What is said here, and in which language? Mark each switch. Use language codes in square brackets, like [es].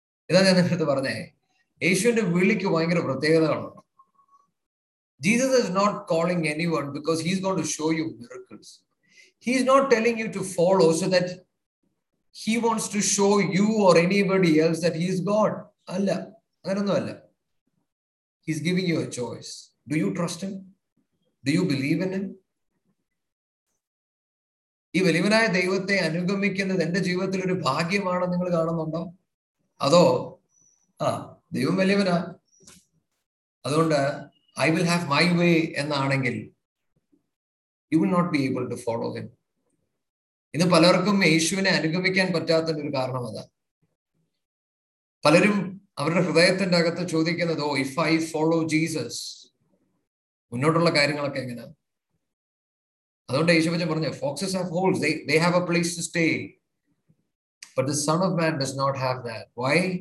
[ml] ഇതാ ഞാൻ നേരത്തെ പറഞ്ഞേ, യേശുവിന്റെ വിളിക്ക് ഭയങ്കര പ്രത്യേകതകളുണ്ട്. [en] Jesus is not calling anyone because he's going to show you miracles. He is not telling you to follow so that he wants to show you or anybody else that he is God. [ml] Alla, adonnu alla. [en] He is giving you a choice. Do you trust him? Do you believe in him? [ml] ഈ വലിയവനായ ദൈവത്തെ അനുഗമിക്കുന്നത് എന്റെ ജീവിതത്തിൽ ഒരു ഭാഗ്യമാണ് നിങ്ങൾ കാണുന്നുണ്ടോ? അതോ ദൈവം വലിയവനാ, അതുകൊണ്ട് [en] I will have my way [ml] എന്നാണെങ്കിൽ [en] you will not be able to follow him. [ml] ഇന്ന് പലർക്കും യേശുവിനെ അനുഗമിക്കാൻ പറ്റാത്ത ഒരു കാരണം അതാ. പലരും അവരുടെ ഹൃദയത്തിന്റെ അകത്ത് ചോദിക്കുന്നത്, [en] oh if I follow Jesus [ml] മുന്നോട്ടുള്ള കാര്യങ്ങളൊക്കെ എങ്ങനെയാ? അതുകൊണ്ട് യേശു വചനം പറഞ്ഞു, [en] Foxes have holes, they have a place to stay, but the son of man does not have that. Why?